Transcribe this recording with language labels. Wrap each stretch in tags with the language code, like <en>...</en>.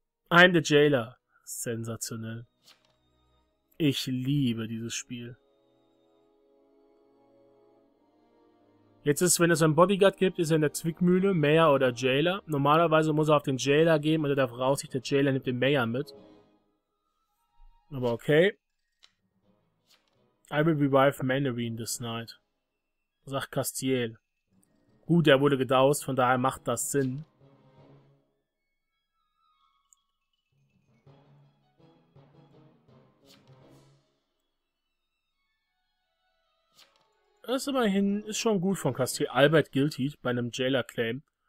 <en>I'm the Jailer.</en> <de>Sensationell. Ich liebe dieses Spiel. Jetzt ist, wenn es einen Bodyguard gibt, ist er in der Zwickmühle, Mayor oder Jailer. Normalerweise muss er auf den Jailer gehen und er darf raus, sich der Jailer nimmt den Mayor mit. Aber okay.</de> <en>I will revive Mandarine this night.</en> <de>Sagt Castiel. Gut, er wurde gedoust, von daher macht das Sinn. Das ist immerhin, ist schon gut von Castiel. Albert Guilty bei einem Jailer-Claim.</de>